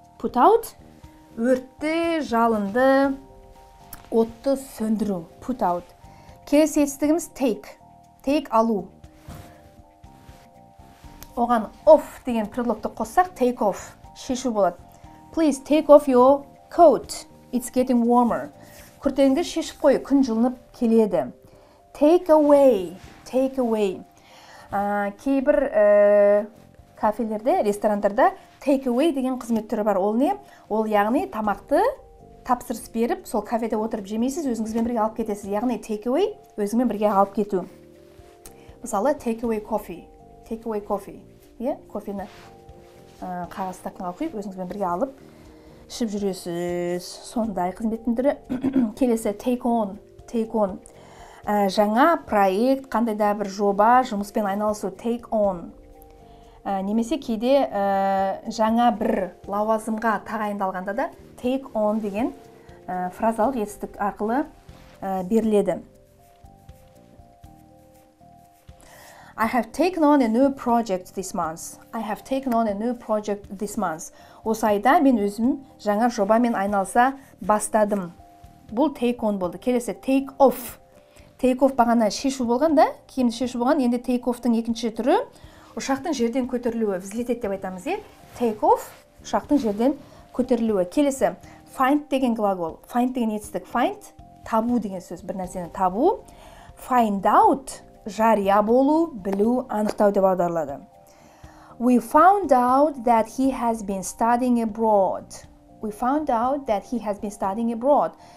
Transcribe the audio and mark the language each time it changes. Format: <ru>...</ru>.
<kk>Put out, өртті, жалынды, отты сөндіру. Put out. Келесі етістігіміз take. Take алу. оған off деген предлогты қоссақ, take off, шешу болады.</kk> <en>Please take off your coat. It's getting warmer.</en> <kk>Күртеңді шешіп қой, күн жылынып келеді.</kk> <en>Take away, take away.</en> <kk>Кейбір кафелерде, ресторандарда take away деген қызмет түрі бар. Ол не? Ол яғни тамақты тапсырыс беріп, сол кафеде отырып жемейсіз, өзіңізбен бірге алып кетесіз. Яғни take away өзіңізбен бірге алып кету.</kk> <en>Мысалы, take away coffee. Take away coffee. Yeah?</en> <kk>Кофені қағаз стақынға құйып, өзіңізбен бірге алып, ішіп жүресіз. Сондай қызметтің түрі келесі take on.</kk> <en>Take on.</en> <kk>Жаңа проект, қандай да бір жоба, жұмыспен айналысу, take on. Немесе кейде жаңа бір лауазымға тағайындалғанда да take on деген фразалық етістік арқылы беріледі.</kk> <en>I have taken on a new project this month. I have taken on a new project this month.</en> <kk>Осы айда мен өзім жаңа жобамен айналса бастадым. Бұл take on болды. Келесі take off. Take off бағана шешу болған да, кейін шешу болған, енді take off-тың екінші түрі ұшақтың жерден көтерілуі, взлететі деп айтамыз, е? Take off, ұшақтың жерден көтерілуі. Келесі, find деген глагол, find деген етістік, find, табу деген сөз, бір нәрсені табу. Find out, жария болу, білу, анықтау деп аударылады.</kk> <en>We found out that he has been studying abroad. We found out that he has been studying abroad.</en>